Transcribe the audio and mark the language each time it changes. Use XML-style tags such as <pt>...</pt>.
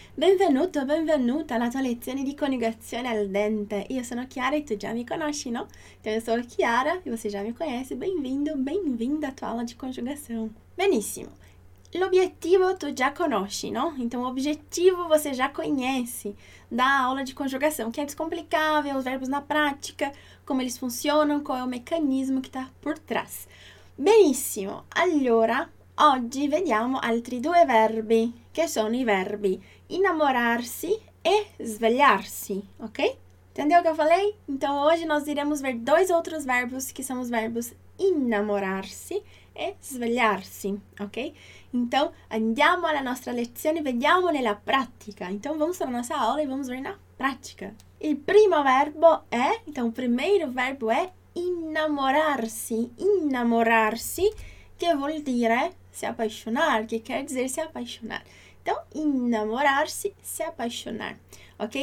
<it>Benvenuto, benvenuta alla tua lezione di coniugazione al dente. Io sono Chiara e tu già mi conosci, no? Io sono Chiara e</it> <pt>você já me conhece. Bem-vindo, bem-vinda à tua aula de conjugação.</pt> <it>Benissimo. L'obiettivo tu già conosci, no?</it> <pt>Então, o objetivo você já conhece da aula de conjugação, que é descomplicar, ver os verbos na prática, como eles funcionam, qual é o mecanismo que está por trás.</pt> <it>Benissimo. Allora, oggi vediamo altri due verbi, che sono i verbi innamorarsi e svegliarsi, ok?</it> <pt>Entendeu o que eu falei? Então, hoje nós iremos ver dois outros verbos, que são os verbos innamorarsi e svegliarsi, ok?</pt> <it>Então, andiamo alla nostra lezione e vediamo nella pratica.</it> <pt>Então, vamos para a nossa aula e vamos ver na prática.</pt> <it>Il primo verbo è,</it> <pt>então, o primeiro verbo</pt> <it>è innamorarsi, innamorarsi, che vuol dire</it> <pt>se apaixonar,</pt> <it>che</it> <pt>quer dizer se apaixonar. Então, innamorarsi, se apaixonar. Ok?</pt>